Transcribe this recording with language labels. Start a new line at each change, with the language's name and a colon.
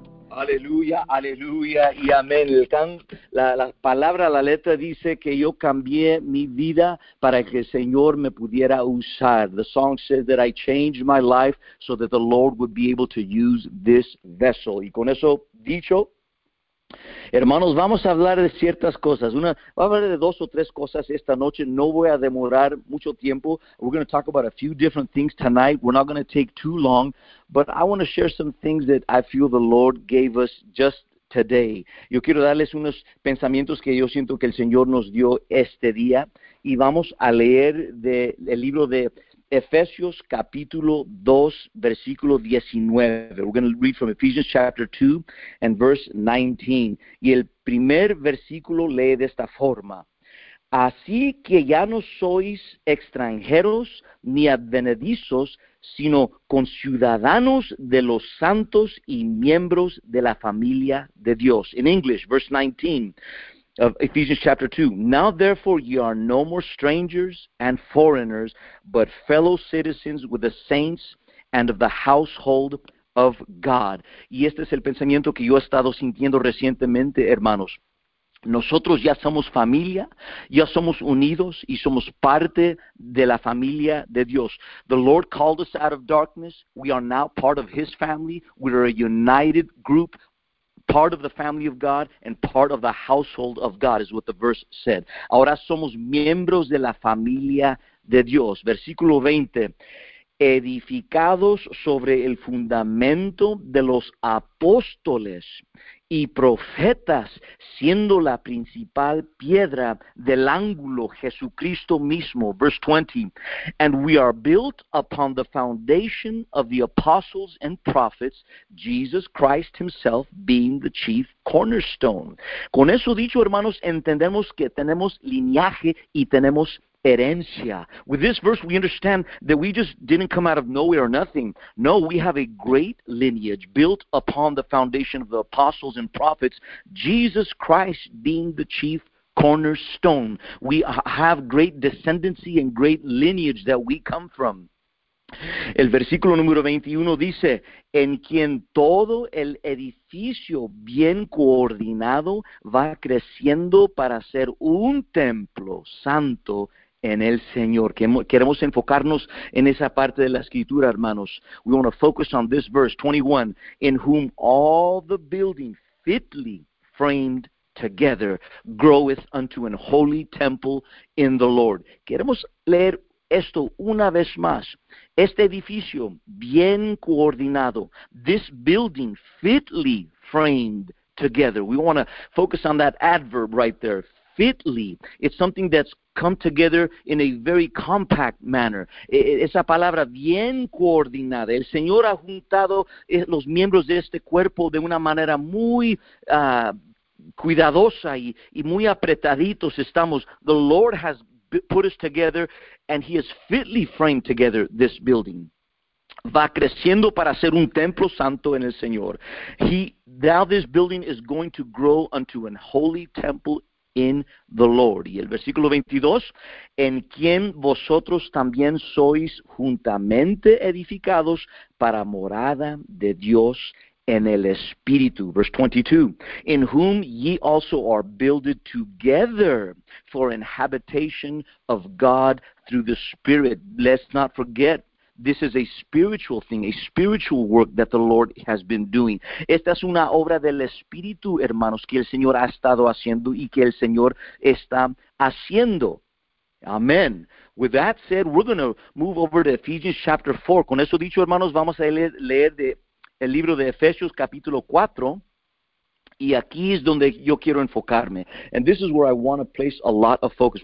Spanish: Aleluya, aleluya y amén. La palabra, la letra dice que yo cambié mi vida para que el Señor me pudiera usar.
English: The song says that I changed my life so that the Lord would be able to use this vessel.
Spanish: Y con eso dicho, hermanos, vamos a hablar de ciertas cosas. Voy a hablar de dos o tres cosas esta noche. No voy a demorar mucho tiempo.
English: We're going to talk about a few different things tonight. We're not going to take too long. But I want to share some things that I feel the Lord gave us just today.
Spanish: Yo quiero darles unos pensamientos que yo siento que el Señor nos dio este día. Y vamos a leer el libro de Efesios capítulo 2, versículo 19.
English: We're going to read from Ephesians chapter 2 and verse 19.
Spanish: Y el primer versículo lee de esta forma. Así que ya no sois extranjeros ni advenedizos, sino conciudadanos de los santos y miembros de la familia de Dios.
English: In English, verse 19 of Ephesians chapter 2. Now therefore ye are no more strangers and foreigners, but fellow citizens with the saints and of the household of God.
Spanish: Y este es el pensamiento que yo he estado sintiendo recientemente, hermanos. Nosotros ya somos familia, ya somos unidos y somos parte de la familia de Dios.
English: The Lord called us out of darkness. We are now part of His family. We are a united group, part of the family of God and part of the household of God, is what the verse said.
Spanish: Ahora somos miembros de la familia de Dios. Versículo 20. Edificados sobre el fundamento de los apóstoles y profetas, siendo la principal piedra del ángulo, Jesucristo mismo.
English: Verse 20. And we are built upon the foundation of the apostles and prophets, Jesus Christ himself being the chief cornerstone.
Spanish: Con eso dicho, hermanos, entendemos que tenemos linaje y tenemos herencia.
English: With this verse, we understand that we just didn't come out of nowhere or nothing. No, we have a great lineage built upon the foundation of the apostles and prophets, Jesus Christ being the chief cornerstone. We have great descendancy and great lineage that we come from.
Spanish: El versículo número 21 dice, en quien todo el edificio bien coordinado va creciendo para ser un templo santo en el Señor. Queremos enfocarnos en esa parte de la escritura, hermanos.
English: We want to focus on this verse 21, in whom all the building fitly framed together, groweth unto an holy temple in the Lord.
Spanish: Queremos leer esto una vez más. Este edificio bien coordinado,
English: this building fitly framed together. We want to focus on that adverb right there, fitly. It's something that's come together in a very compact manner.
Spanish: Esa palabra bien coordinada. El Señor ha juntado los miembros de este cuerpo de una manera muy cuidadosa y muy apretaditos estamos.
English: The Lord has put us together and he has fitly framed together this building.
Spanish: Va creciendo para ser un templo santo en el Señor.
English: Now this building is going to grow unto an holy temple in the Lord.
Spanish: Y el versículo 22, en quien vosotros también sois juntamente edificados para morada de Dios en el Espíritu.
English: Verse 22, in whom ye also are builded together for an habitation of God through the Spirit. Let's not forget, this is a spiritual thing, a spiritual work that the Lord has been doing.
Spanish: Esta es una obra del Espíritu, hermanos, que el Señor ha estado haciendo y que el Señor está haciendo.
English: Amen. With that said, we're going to move over to Ephesians chapter 4.
Spanish: Con eso dicho, hermanos, vamos a leer el libro de Efesios capítulo 4. Y aquí es donde yo quiero enfocarme.
English: And this is where I want to place a lot of focus.